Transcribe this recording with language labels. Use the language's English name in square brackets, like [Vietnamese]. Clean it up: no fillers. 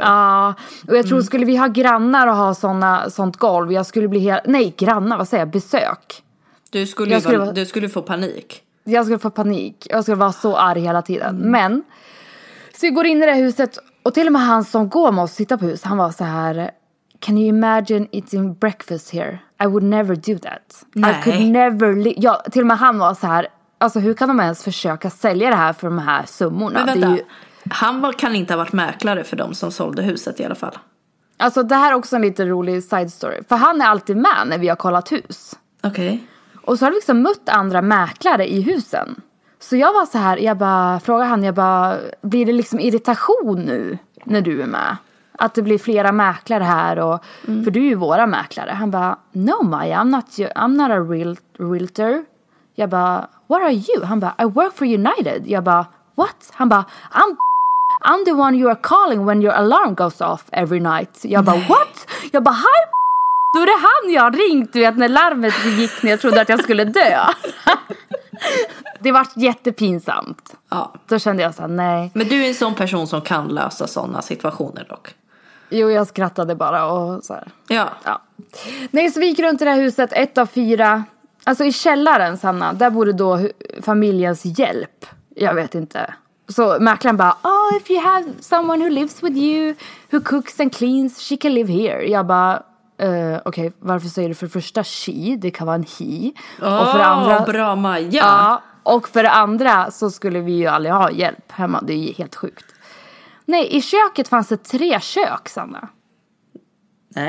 [Swedish] Ja, och jag tror skulle vi ha grannar och ha sånt golv, jag skulle bli helt... Nej, grannar, vad säger jag? Besök. Du skulle få panik. Jag skulle få panik. Jag skulle vara så arg hela tiden. Mm. Men, så vi går in i det huset, och till och med han som går med oss och sitter på hus, han var så här... [English] Can you imagine eating breakfast here? I would never do that. [Swedish] Nej. [English] I could never [Swedish] ja, till och med han var så här, alltså hur kan de ens försöka sälja det här för de här summorna? Men vänta, det är ju... han kan inte ha varit mäklare för de som sålde huset i alla fall. Alltså det här är också en lite rolig side story. För han är alltid med när vi har kollat hus. Okej. [English] Okay. [Swedish] Och så har vi liksom mött andra mäklare i husen. Så jag var så här, jag bara frågade han, jag bara, blir det liksom irritation nu när du är med? Att det blir flera mäklare här och, för du är ju våra mäklare. Han bara, [English] no Maya, I'm not a realtor. [Swedish] Jag bara, [English] what are you? [Swedish] Han bara, [English] I work for United. Jag bara, what? Han bara, I'm the one you are calling when your alarm goes off every night. [Swedish] Jag bara, what? Jag bara, hi. Då är det han jag ringt, du vet, när larmet gick när jag trodde att jag skulle dö. Det var jättepinsamt. Ja. Då kände jag så här, nej. Men du är en sån person som kan lösa sådana situationer dock. Jo, jag skrattade bara och så här. Ja. Ja. Nej, så vi gick runt i det här huset, ett av fyra. Alltså i källaren, Sanna, där bodde då familjens hjälp. Jag vet inte. Så mäklaren bara, [English] oh, if you have someone who lives with you, who cooks and cleans, she can live here. [Swedish] Jag bara, okej, okay, varför säger du för första she? Det kan vara en he. Oh, och för andra, bra Maja. Ja, och för det andra så skulle vi ju aldrig ha hjälp hemma. Det är ju helt sjukt. Nej, i köket fanns det tre kök, Sanna. Nej.